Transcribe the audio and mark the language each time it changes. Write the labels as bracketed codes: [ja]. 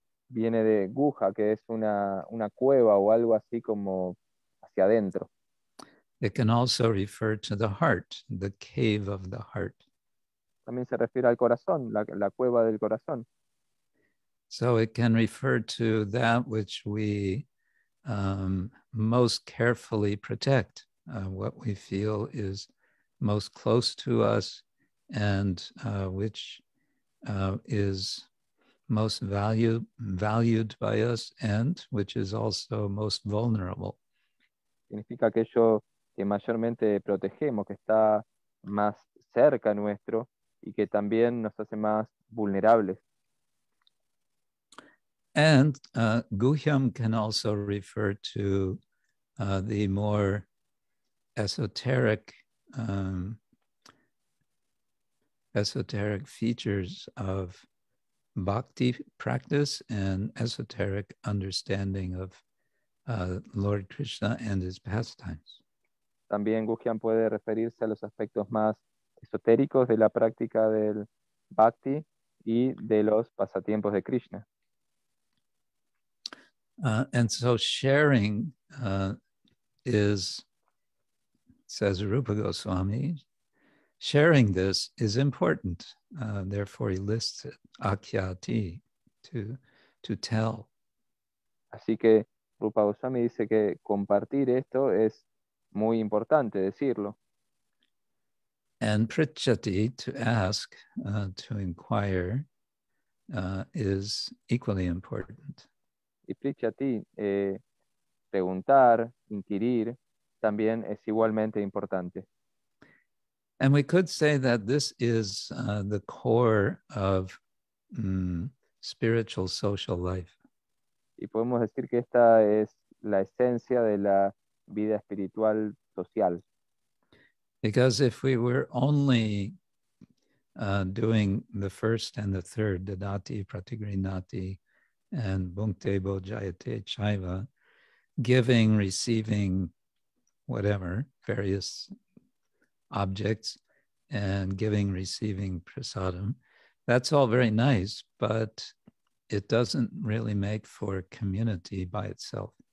[es] Viene de guha, que es una cueva o algo así como hacia adentro. [en] It can also refer to the heart, the cave of the heart. [es] También se refiere al corazón, la cueva del corazón. [en] So it can refer to that which we most carefully protect, what we feel is most close to us and which is most valued by us and which is also most vulnerable. [es] Significa aquello que mayormente protegemos, que está más cerca nuestro y que también nos hace más vulnerables. [en] And guhyam can also refer to the more esoteric esoteric features of bhakti practice and esoteric understanding of Lord Krishna and his pastimes. [es] También guhyam puede referirse a los aspectos más esotéricos de la práctica del bhakti y de los pasatiempos de Krishna. [en] And so sharing is, says Rupa Goswami, sharing this is important. Therefore, he lists it, akhyati, to tell. [es] Así que Rupa Goswami dice que compartir esto es muy importante decirlo. [en] And prichati, to ask, to inquire, is equally important. [es] Y prichati, preguntar, inquirir, también es igualmente importante. [en] And we could say that this is the core of spiritual social life. [es] Y podemos decir que esta es la esencia de la vida espiritual social. [en] Because if we were only doing the first and the third, the [sa] dati, pratigrinati, [en] and [sa] bhunkte bo jayate chaiva, [en] giving, receiving, whatever, various objects, and giving, receiving prasadam, that's all very nice, but it doesn't really make for community by itself.